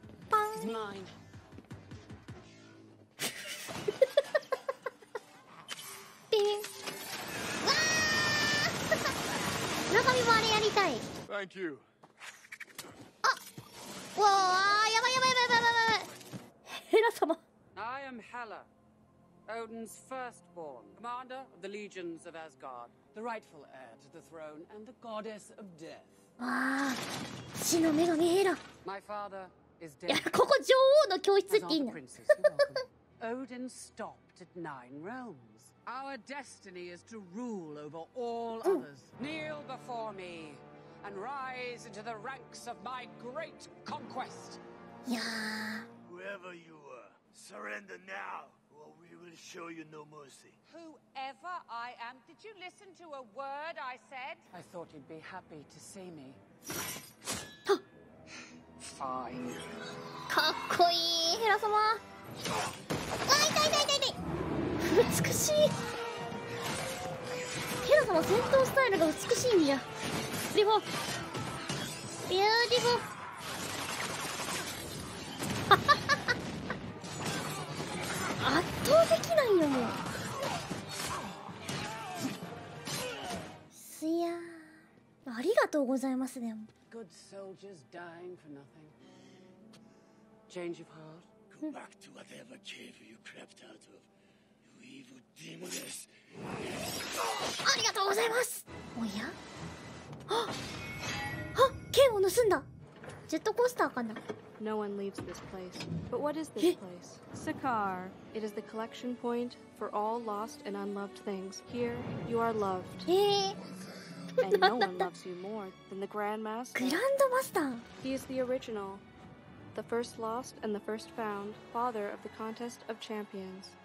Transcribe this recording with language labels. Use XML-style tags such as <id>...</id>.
<ja>パン。ピン。わぁ、中身もあれやりたい。</ja> <en>Thank you。</en> <ja>わあ、やばいやばいやばいやばいやばい。ヘラ様。</ja> <en>I am Hela, Odin's firstborn, commander of the legions of Asgard, the rightful heir to the throne and the goddess of death.</en> <ja>ああ、死の女神ヘラ。</ja> <en>My father is dead.</en> <ja>いや、ここ女王の教室っていいな。</ja> <en>Odin stopped at nine realms. Our destiny is to rule over all others. Kneel before me. And rise into the ranks of my great conquest. Yeah. Whoever you are, surrender now, or we will show you no mercy. Whoever I am, did you listen to a word I said? I thought you'd be happy to see me. Fine.</en> <ja>かっこいい、ヘラ様。わあ、痛い痛い痛い痛い。美しい。ヘラ様、戦闘スタイルが美しいんや。ビューティフォー、圧倒的なんよ、もうすやー、ありがとうございますね。</ja> <en>Good soldiers dying for nothing. Change of heart. Go back to whatever cave you crept out of, you evil demoness.</en> <ja>ありがとうございます。おや、あ、剣を盗んだ。ジェットコースターかな。</ja> <en>No one leaves this place. But what is this place? Sakaar. It is the collection point for all lost and unloved things. Here, you are loved. And no one loves you more than the Grand Master. Grand Master. He is the original, the first lost and the first found, father of the contest of champions.</en>